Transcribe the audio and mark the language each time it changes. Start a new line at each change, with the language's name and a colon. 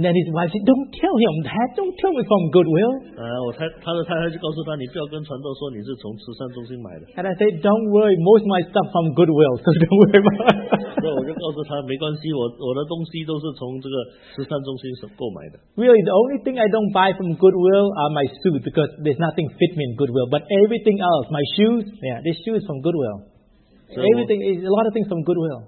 English: then his wife said, "Don't tell him that. Don't tell me from Goodwill."
Chinese: 他的太太就告诉他，你不要跟传道说你是从慈善中心买的。
English: And I said, "Don't worry, most of my stuff from Goodwill, so don't worry about it."
Chinese: 所以我就告诉他，没关系，我的东西都是从这个慈善中心购买的。
English: Really, the only thing I don't buy from Goodwill are my suits because there's nothing fit me in Goodwill. But everything else, my shoes, yeah, this shoe is from Goodwill. Everything is a lot of things from Goodwill.